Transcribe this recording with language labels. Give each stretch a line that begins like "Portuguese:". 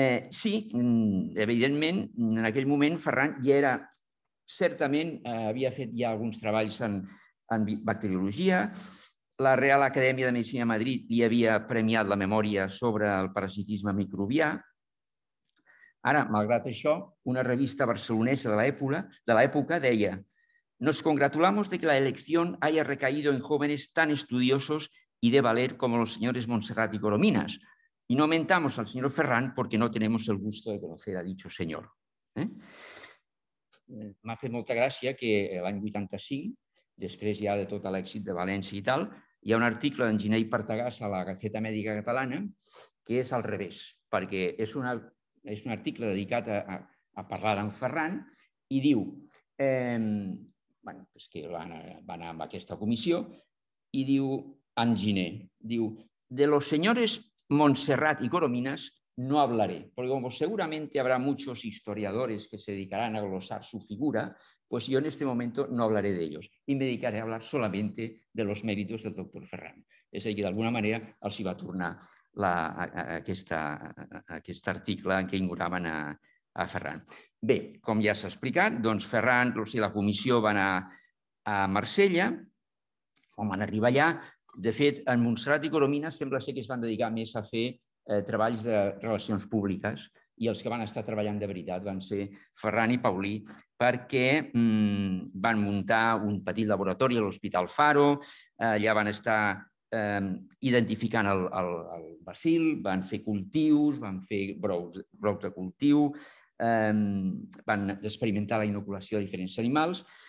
Catalan: Sí, evidentment, en aquell moment Ferran ja era, certament havia fet ja alguns treballs en bacteriologia, la Real Acadèmia de Medicina de Madrid li havia premiat la memòria sobre el parasitisme microbià. Ara, malgrat això, una revista barcelonesa de l'època deia:
Spanish: "Nos congratulamos de que la elección haya recaído en jóvenes tan estudiosos y de valer como los señores Montserrat y Corominas. Y no mentamos al señor Ferran porque no tenemos el gusto de conocer a dicho señor."
Catalan: M'ha fet molta gràcia que l'any 85, després ja de tot l'èxit de València i tal, hi ha un article d'en Giner i Partagàs a la Gaceta Mèdica Catalana que és al revés, perquè és un article dedicat a parlar d'en Ferran i diu... que va anar amb aquesta comissió, i diu, en Giner, diu:
Spanish: "De los señores Montserrat y Corominas no hablaré, porque como seguramente habrá muchos historiadores que se dedicarán a glosar su figura, pues yo en este momento no hablaré de ellos, y me dedicaré a hablar solamente de los méritos del doctor Ferran."
Catalan: És a dir, que d'alguna manera els va tornar aquest article en què ignoraven a Ferran. Bé, com ja s'ha explicat, Ferran i la comissió van anar a Marsella, quan van arribar allà. De fet, en Montserrat i Coromina sembla ser que es van dedicar més a fer treballs de relacions públiques, i els que van estar treballant de veritat van ser Ferran i Paulí, perquè van muntar un petit laboratori a l'Hospital Faro, allà van estar identificant el bacil, van fer cultius, van fer brous de cultiu, van experimentar la inoculació de diferents animals.